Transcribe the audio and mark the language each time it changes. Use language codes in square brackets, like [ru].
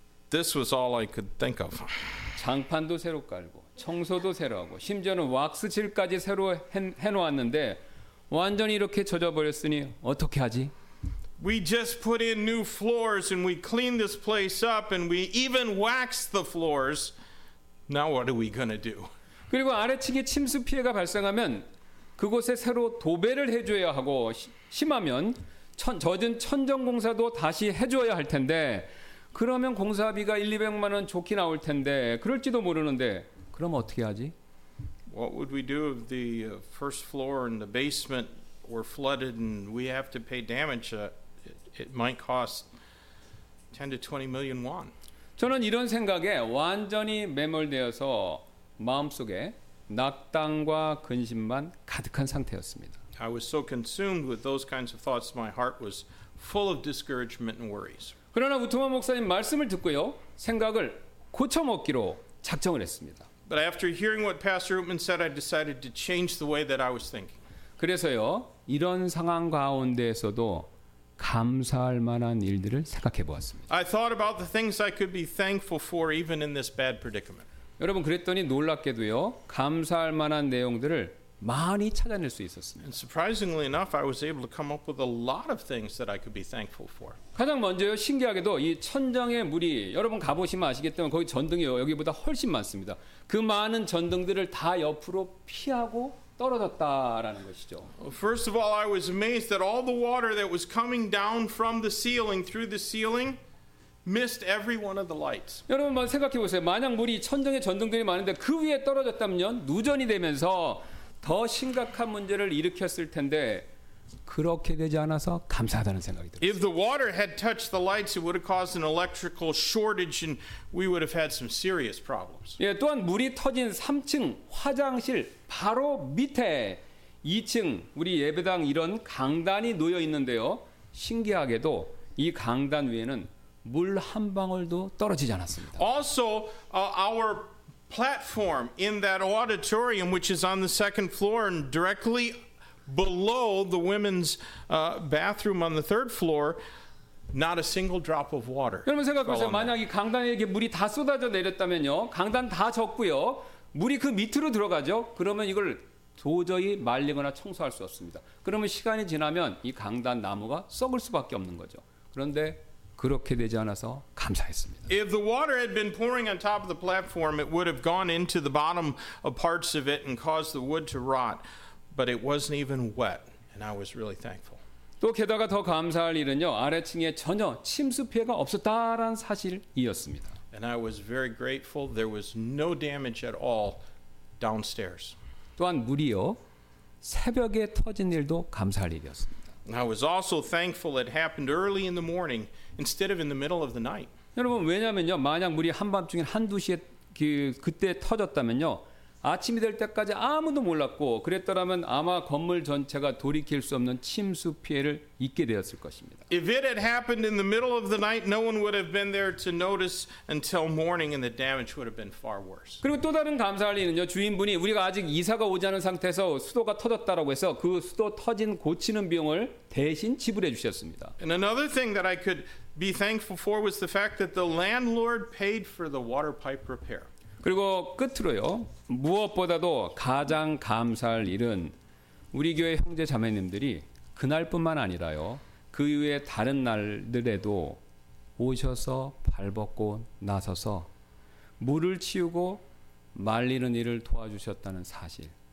[en] This was all I could think of. [ko] 장판도 새로 깔고 청소도 새로 하고 심지어는 왁스칠까지 새로 해 놓았는데 완전히 이렇게 젖어 버렸으니 어떻게 하지? [en] We just put in new floors and we cleaned this place up and we even waxed the floors. Now what are we going to do? [ko] 그리고 아래층에 침수 피해가 발생하면 그곳에 새로 도배를 해 줘야 하고 심하면 젖은 천정 공사도 다시 해 줘야 할 텐데 그러면 공사비가 1,200만 원 좋게 나올 텐데 그럴지도 모르는데 그럼 어떻게 하지? [en] What would we do if the first floor and the basement were flooded and we have to pay damage? It might cost 10 to 20 million won. [ko] 저는 이런 생각에 완전히 매몰되어서 마음속에 낙담과 근심만 가득한 상태였습니다. [en] I was so consumed with those kinds of thoughts, my heart was full of discouragement and worries. [ko] 그러나 우투마 목사님 말씀을 듣고요 생각을 고쳐먹기로 작정을 했습니다. [en] But after hearing what Pastor Oopman said, I decided to change the way that I was thinking. [ko] 그래서요 이런 상황 가운데에서도 감사할 만한 일들을 생각해 보았습니다. [en] I thought about the things I could be thankful for even in this bad predicament. [ko] 여러분 그랬더니 놀랍게도요 감사할 만한 내용들을 많이 찾아낼 수 있었습니다. [en] And surprisingly enough, I was able to come up with a lot of things that I could be thankful for. [ko] 가장 먼저요, 신기하게도 이 천정의 물이 여러분 가보시면 아시겠지만 거기 전등이 여기보다 훨씬 많습니다. 그 많은 전등들을 다 옆으로 피하고 떨어졌다라는 것이죠. [en] First of all, I was amazed that all the water that was coming down from the ceiling through the ceiling missed every one of the lights. [ko] 여러분 한번 생각해 보세요. 만약 물이 천정에 전등들이 많은데 그 위에 떨어졌다면 누전이 되면서 더 심각한 문제를 일으켰을 텐데 그렇게 되지 않아서 감사하다는 생각이 들어요. [en] If the water had touched the lights, it would have caused an electrical shortage and we would have had some serious problems. [ko] 예, 또한 물이 터진 3층 화장실 바로 밑에 2층 우리 예배당 이런 강단이 놓여 있는데요. 신기하게도 이 강단 위에는 물 한 방울도 떨어지지 않았습니다. [en] Also, our platform in that auditorium, which is on the second floor and directly below the women's bathroom on the third floor, not a single drop of water. [ko] 여러분 생각하세요. 만약 이 강단에 물이 다 쏟아져 내렸다면요. 강단 다 젖고요. 물이 그 밑으로 들어가죠. 그러면 이걸 도저히 말리거나 청소할 수 없습니다. 그러면 시간이 지나면 이 강단 나무가 썩을 수밖에 없는 거죠. 그런데 그렇게 되지 않아서 감사했습니다. [en] If the water had been pouring on top of the platform, it would have gone into the bottom of parts of it and caused the wood to rot. But it wasn't even wet, and I was really thankful. [ko] 또 게다가 더 감사할 일은요, 아래층에 전혀 침수 피해가 없었다라는 사실이었습니다. [en] And I was very grateful there was no damage at all downstairs. [ko] 또한 물이요, 새벽에 터진 일도 감사할 일이었습니다. [en] I was also thankful it happened early in the morning instead of in the middle of the night. [ko] 여러분 왜냐면요 만약 물이 한밤중에 한두 시에 그때 터졌다면요 아침이 될 때까지 아무도 몰랐고 그랬더라면 아마 건물 전체가 돌이킬 수 없는 침수 피해를 입게 되었을 것입니다. [en] If it had happened in the middle of the night, no one would have been there to notice until morning, and the damage would have been far worse. [ko] 그리고 또 다른 감사할 일은요, 주인분이 우리가 아직 이사가 오지 않은 상태에서 수도가 터졌다라고 해서 그 수도 터진 고치는 비용을 대신 지불해 주셨습니다. [en] And another thing that I could be thankful for was the fact that the landlord paid for the water pipe repair. [ko] 그리고 끝으로요. 무엇보다도 가장 감사할 일은 우리 교회 형제 자매님들이 그날뿐만 아니라요. 그 이후에 다른 날들에도 오셔서 발 벗고 나서서 물을 치우고 말리는 일을 도와주셨다는 사실.